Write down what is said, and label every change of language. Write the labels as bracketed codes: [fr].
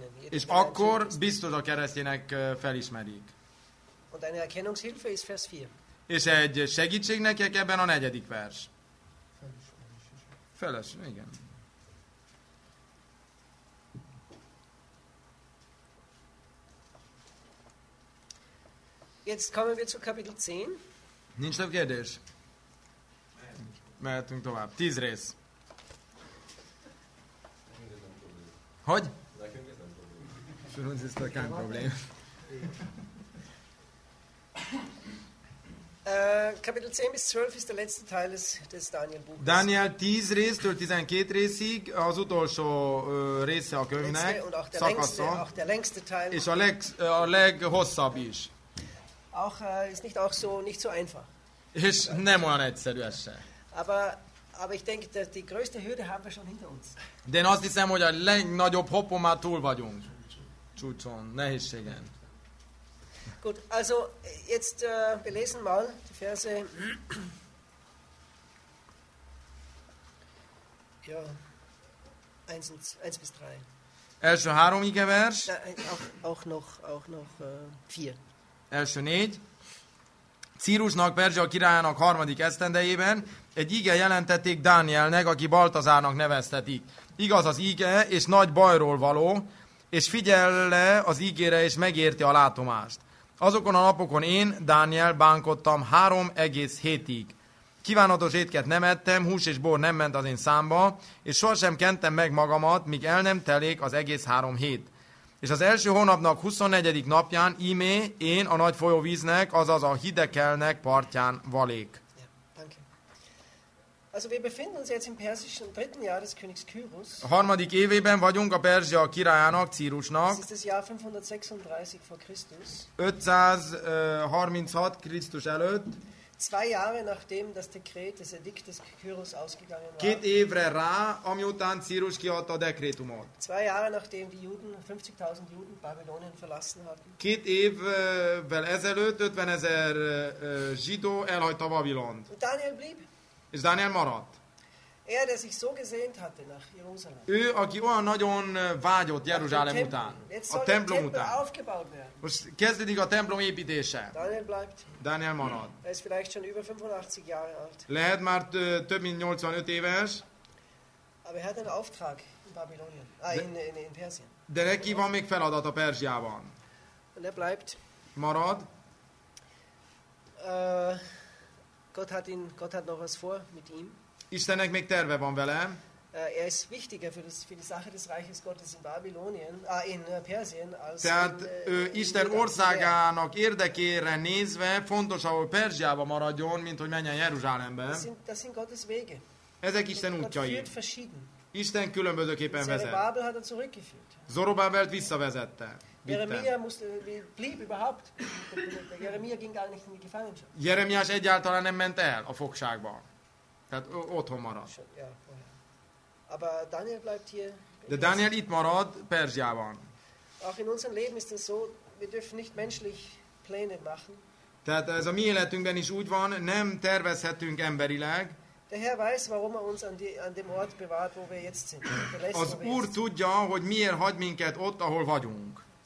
[hu] És akkor biztos a keresztények felismerik. [de] Und eine Erkennungshilfe ist Vers 4. [hu] És egy segítség nekik ebben a negyedik vers. Feles, igen. [de] Jetzt kommen wir zu Kapitel 10. [hu] Nincs több kérdés. Mehetünk tovább. 10 rész. Hogy? Nekünk ez nem probléma. [de] Kapitel 10 bis 12 ist der letzte Teil des Daniel Buches. [hu] Daniel 10 résztől 12 részig az utolsó része a könyvnek, szakasza. [de] Auch der längste Teil. [hu] És a leghosszabb is. [de] Auch ist nicht auch so nicht so einfach. [hu] És nem olyan egyszerű ez se. [de] Aber ich denke, dass die größte Hürde haben wir schon hinter uns. [hu] De én azt hiszem, hogy a legnagyobb hoppon már túl vagyunk. Csúcson, nehézségen. [de] Gut, also jetzt wir lesen mal die Verse. Ja, 1 bis 3. [hu] Első három igevers. [de] Auch noch 4. [hu] Első 4. Círusnak, Perzsia királyának harmadik esztendejében egy ige jelentették Dánielnek, aki Baltazárnak neveztetik. Igaz az ige, és nagy bajról való, és figyel le az ígére, és megérti a látomást. Azokon a napokon én, Dániel, bánkodtam 3 egész hétig. Kívánatos étket nem ettem, hús és bor nem ment az én számba, és sohasem kentem meg magamat, míg el nem telik az egész 3 hét. És az első hónapnak 24. napján ímé én a nagy folyóvíznek, azaz a Hidekelnek partján valék. [de] Also wir befinden uns jetzt im persischen dritten Jahr des Königs Kyrus. [hu] A harmadik évében vagyunk a Perzsia királyának, Círusnak. Ez a 536 [de] vor Christus. [hu] 536 Krisztus előtt. [de] 2 Jahre nachdem das Dekret, das Edikt des Kyrus ausgegangen war. [hu] 2 évre rá, amiután Círus kiadta a dekrétumot. [de] 2 Jahre nachdem die Juden, 50.000 Juden Babylonien verlassen hatten. [hu] 2 évvel ezelőtt 50.000 zsidó elhagyta Babilont. [de] Und Daniel blieb. [hu] És Dániel maradt. [de] Er, der sich so gesehnt hatte nach Jerusalem. [hu] Ő, aki olyan nagyon vágyott Jeruzsálem után, a templom után. Most kezdődik a templom építése. [de] Daniel bleibt. [hu] Daniel maradt. [de] Er ist vielleicht schon über 85 Jahre alt. [hu] Lehet már több mint 85 éves. [de] Aber er hat einen Auftrag in Babylonien, in Persien. [hu] De neki van még feladat a Perzsiában. [de] Er bleibt. [hu] Marad. [de] Gott hat noch was vor mit ihm. [hu] Istennek még terve van vele. [de] Er ist wichtiger für die Sache des Reiches Gottes in Babylonien, in Persien als. [hu] Tehát Isten országának érdekére nézve fontos, ahol Perzsiába maradjon, mint hogy menjen Jeruzsálembe. [de] Das sind Gottes Wege. [hu] Ezek Isten útjai. [de] Gott führt verschieden. [hu] Isten különbözőképpen vezet. [de] Zerubbabel hat er zurückgeführt. [hu] Zorobabelt visszavezette. [de] Jeremia ging gar nicht in die Gefangenschaft. [hu] Jeremiás egyáltalán nem ment el a fogságba. Tehát otthon maradt. [de] Aber Daniel bleibt hier. [hu] De Daniel itt marad Perzsiában. [de] Auch in unserem Leben ist es so, wir dürfen nicht menschlich Pläne machen. [hu] Tehát ez a mi életünkben is úgy van, nem tervezhetünk emberileg. [de] Der Herr weiß, warum er uns an dem Ort bewahrt, wo wir jetzt sind. [hu] Az Úr tudja, hogy miért hagy minket ott, ahol vagyunk.